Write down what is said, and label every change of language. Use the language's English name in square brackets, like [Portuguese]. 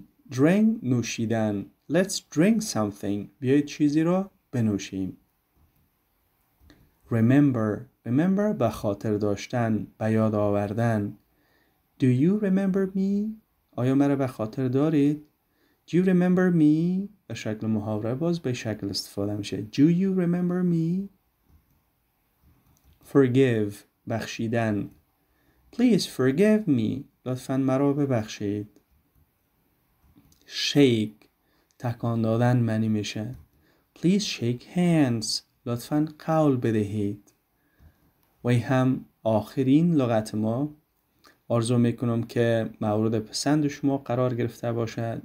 [Persian] Drink نوشیدن. [English] Let's drink something، [Persian] بیایید چیزی را بنوشیم. Remember به خاطر داشتن، به یاد آوردن. [English] Do you remember me؟ [Persian] آیا مرا به خاطر دارید؟ Do you remember me؟ به شکل محاوره باز به شکل استفاده میشه. [English] Do you remember me؟ Forgive [Persian] بخشیدن. [English] Please forgive me، [Persian] لطفاً مرا ببخشید. Shake تکان دادن معنی میشه. [English] Please shake hands، [Persian] لطفاً قول بدهید. و هم آخرین لغت ما، آرزو میکنم که مورد پسند شما قرار گرفته باشه.